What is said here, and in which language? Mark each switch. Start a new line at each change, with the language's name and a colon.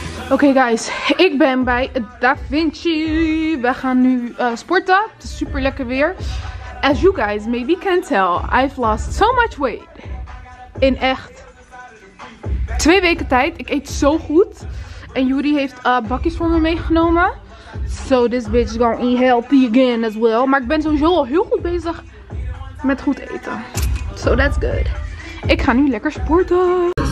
Dutch: Oké, guys, ik ben bij Da Vinci. We gaan nu sporten. Het is super lekker weer.
English: As you guys maybe can tell, I've lost so much weight.
Dutch: In echt 2 weken tijd. Ik eet zo goed. En Yuri heeft bakjes voor me meegenomen.
English: So this bitch is gonna eat healthy again as well.
Dutch: Maar ik ben sowieso al heel goed bezig met goed eten.
English: So that's good.
Dutch: Ik ga nu lekker sporten.